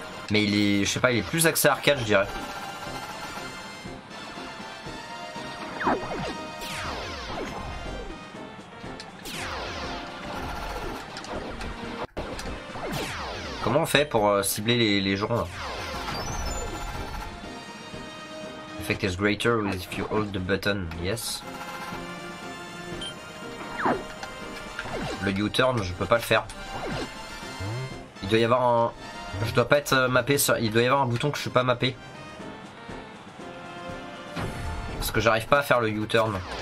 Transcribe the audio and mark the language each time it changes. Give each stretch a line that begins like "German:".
French: Mais il est, je sais pas, il est plus axé arcade, je dirais. Comment on fait pour cibler les gens là?
English: Effect is greater if you hold the button, yes.
French: Le U-turn, je peux pas le faire. Il doit y avoir un. Je dois pas être mappé sur. Il doit y avoir un bouton que je suis pas mappé. Parce que j'arrive pas à faire le U-turn.